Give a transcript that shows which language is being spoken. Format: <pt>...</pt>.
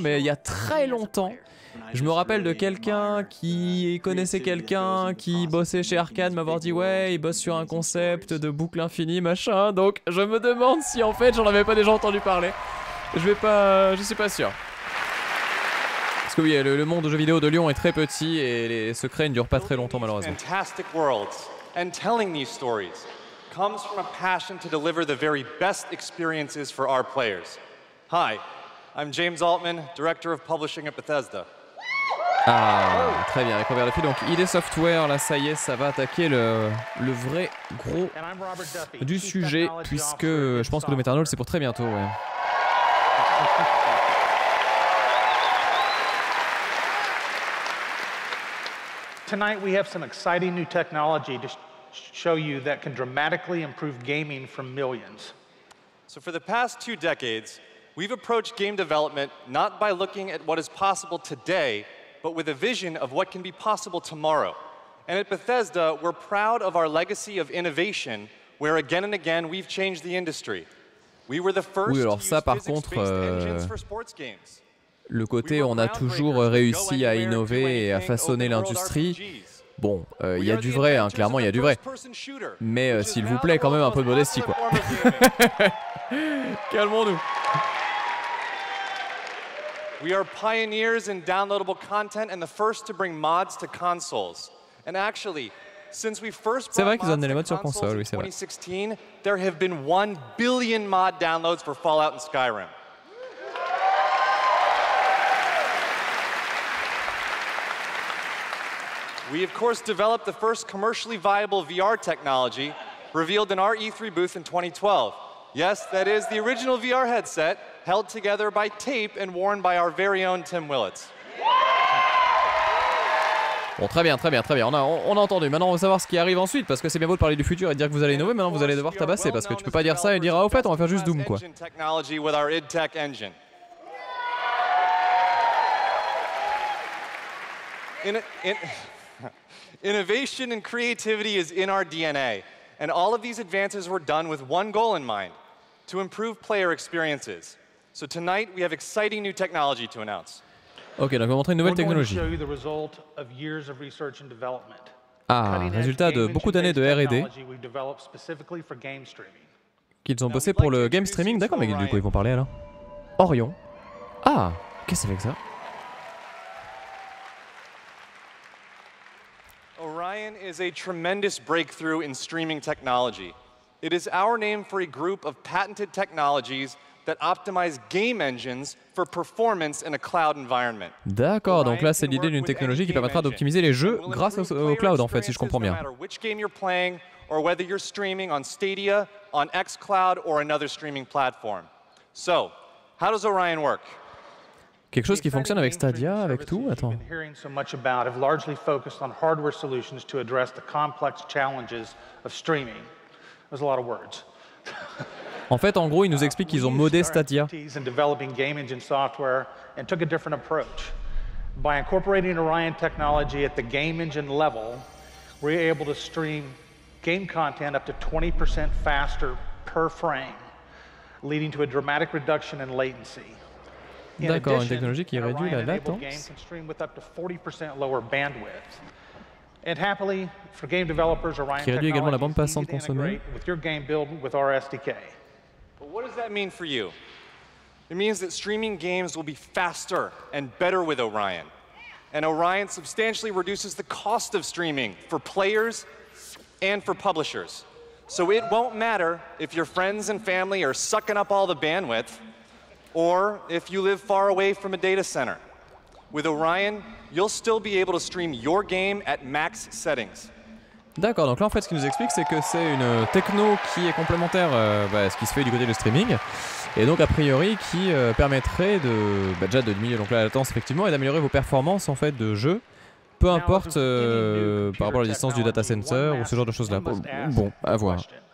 <fr>Mais il y a très longtemps, je me rappelle de quelqu'un qui connaissait quelqu'un qui bossait chez Arkane, m'avoir dit « Ouais, il bosse sur un concept de boucle infinie, machin. » Donc je me demande si en fait j'en avais pas déjà entendu parler. Je suis pas sûr. Parce que oui, le monde de jeux vidéo de Lyon est très petit et les secrets ne durent pas très longtemps malheureusement.</fr> <en>Fantastic worlds and telling these stories comes from a passion to deliver the very best experiences for our players. Hi, I'm James Altman, director of publishing at Bethesda.</en> <fr>Ah, très bien, avec Robert Duffy. Donc ID Software, là ça y est, ça va attaquer le vrai gros du sujet, puisque je pense que Doom Eternal, c'est pour très bientôt. Ouais.</fr> <en>Tonight we have some exciting new technology to show you that can dramatically improve gaming for millions. So for the past two decades, we've approached game development not by looking at what is possible today, but with a vision of what can be possible tomorrow. And at Bethesda, we're proud of our legacy of innovation, where again and again we've changed the industry. We were the first to use physics-based engines for sports games.</en> <fr>Le côté on a toujours réussi à innover et à façonner l'industrie, bon, il y a du vrai, hein, clairement il y a du vrai. Mais s'il vous plaît, quand même un peu de modestie, quoi. Calmons-nous.</fr> <en>We are pioneers in downloadable content and the first to bring mods to consoles. And actually, since we first brought mods to consoles</en> <fr>sur console,</fr> <en>in 2016, there have been 1 billion mod downloads for Fallout and Skyrim. We of course developed the first commercially viable VR technology revealed in our E3 booth in 2012. Yes, that is the original VR headset held together by tape and worn by our very own Tim Willits.</en> <fr>Bon, très bien. On a entendu. Maintenant, on va savoir ce qui arrive ensuite, parce que c'est bien beau de parler du futur et de dire que vous allez innover, maintenant vous allez devoir tabasser, parce que tu peux pas dire ça et dire ah, au fait, on va faire juste Doom quoi.</fr> <en>Technology with our id Tech engine. Innovation and creativity is in our DNA, and all of these advances were done with one goal in mind, to improve player experiences. So tonight, we have exciting new technology to announce.</en> <fr>Okay, donc on va montrer une nouvelle technologie.</fr> <en>We're going to show you the result of years of research and development.</en> <fr>Ah, résultat de beaucoup d'années de R&D.</fr> <en>We've developed specifically for game streaming.</en> <fr>Qu'ils ont bossé pour le game streaming, d'accord, mais du coup, ils vont parler alors. Orion. Ah, qu'est-ce que c'est que ça?</fr> <en>Orion is a tremendous breakthrough in streaming technology. It is our name for a group of patented technologies that optimize game engines for performance in a cloud environment.</en> <fr>D'accord, donc là c'est l'idée d'une technologie qui permettra d'optimiser les jeux grâce au cloud en fait, si je comprends bien.</fr> <en>No matter which game you're playing or whether you're streaming on Stadia, on xCloud or another streaming platform. So, how does Orion work?</en> <fr>Quelque chose qui fonctionne avec Stadia, avec tout, attends.</fr> <en>I've been hearing so much about have largely focused on hardware solutions to address the complex challenges of streaming. There's a lot of words.</en> <fr>En fait, en gros, ils nous expliquent qu'ils ont modé Stadia.</fr> <en>In developing game engine software and took a different approach. By incorporating Orion technology at the game engine level, we're able to stream game content up to 20% faster per frame, leading to a dramatic reduction in latency.</en> <fr>D'accord, une technologie qui réduit la latence.</fr> <en>Game can stream with up to 40% lower bandwidth. And happily, for game developers, Orion</en> <fr>qui réduit également la bande passante consommée.</fr> <en>With your game build with our SDK. But what does that mean for you? It means that streaming games will be faster and better with Orion. And Orion substantially reduces the cost of streaming for players and for publishers. So it won't matter if your friends and family are sucking up all the bandwidth or if you live far away from a data center. With Orion, you'll still be able to stream your game at max settings.</en> <fr>D'accord, donc là en fait ce qu'il nous explique c'est que c'est une techno qui est complémentaire à ce qui se fait du côté du streaming et donc a priori qui permettrait de, bah, déjà de diminuer donc, la latence effectivement et d'améliorer vos performances en fait de jeu peu importe par rapport à la distance du data center ou ce genre de choses là. Bon, à voir.</fr>